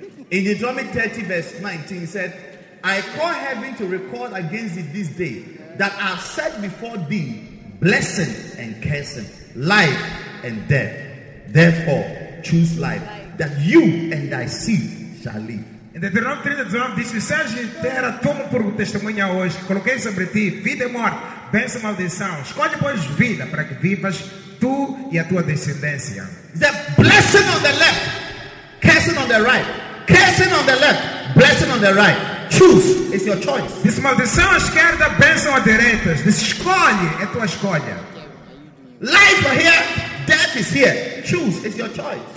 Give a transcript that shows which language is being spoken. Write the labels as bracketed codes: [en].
[en] In Deuteronomy 30 verse 19 he said, I call heaven to record against thee this day that I have set before thee blessing and cursing, life and death. Therefore, choose life that you and thy seed shall live. [pt] Em Deuteronômio 30, 19, disse, Sérgio, terá tomo por testemunha hoje, coloquei sobre ti vida e morte, bênção e maldição. Escolhe, pois, vida para que vivas tu e a tua descendência. [en] The blessing on the left, cursing on the right. Cursing on the left, blessing on the right. Choose, it's your choice. [pt] Disse, maldição à esquerda, bênção à direita. Disse, escolhe, é tua escolha. [en] Life is here, death is here. choose. It's your choice.